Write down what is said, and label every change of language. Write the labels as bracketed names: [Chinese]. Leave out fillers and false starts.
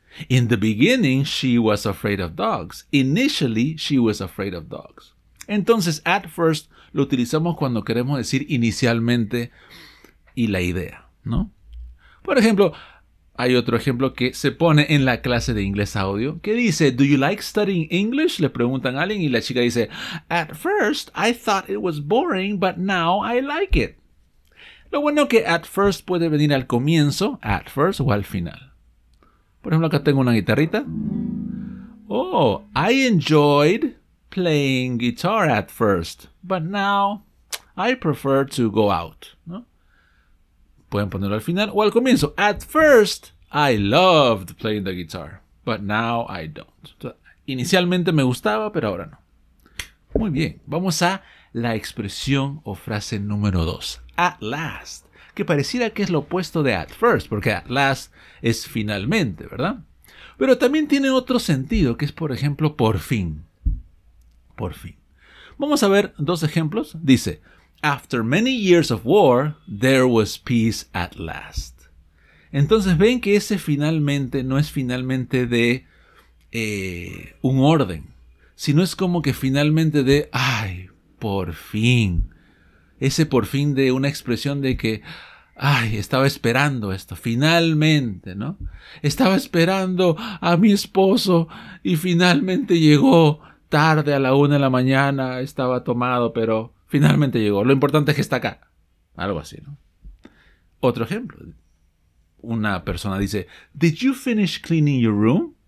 [English] In the beginning, she was afraid of dogs. Initially, she was afraid of dogs. [Spanish] Entonces, at first lo utilizamos cuando queremos decir inicialmente y la idea, ¿no? Por ejemplo, hay otro ejemplo que se pone en la clase de inglés audio que dice, [English] do you like studying English? [Spanish] Le preguntan a alguien y la chica dice, [English] at first I thought it was boring, but now I like it. [Spanish] Lo bueno que at first puede venir al comienzo, at first, o al final. Por ejemplo, acá tengo una guitarrita. [English] Oh, I enjoyed playing guitar at first, but now I prefer to go out, ¿no? [Spanish] Pueden ponerlo al final o al comienzo. [English] At first, I loved playing the guitar, but now I don't. [Spanish] Inicialmente me gustaba, pero ahora no. Muy bien, vamos a la expresión o frase número 2. At last, que pareciera que es lo opuesto de at first, porque at last es finalmente, ¿verdad? Pero también tiene otro sentido, que es, por ejemplo, por fin. Por fin. Vamos a ver dos ejemplos. Dice, [English] after many years of war, there was peace at last. [Spanish] Entonces ven que ese finalmente no es finalmente de un orden, sino es como que finalmente de, ay, por fin. Ese por fin de una expresión de que, ay, estaba esperando esto, finalmente, ¿no? Estaba esperando a mi esposo y finalmente llegó tarde a la 1 de la mañana, estaba tomado, pero finalmente llegó. Lo importante es que está acá. Algo así, ¿no? Otro ejemplo. Una persona dice, [English] did you finish cleaning your room?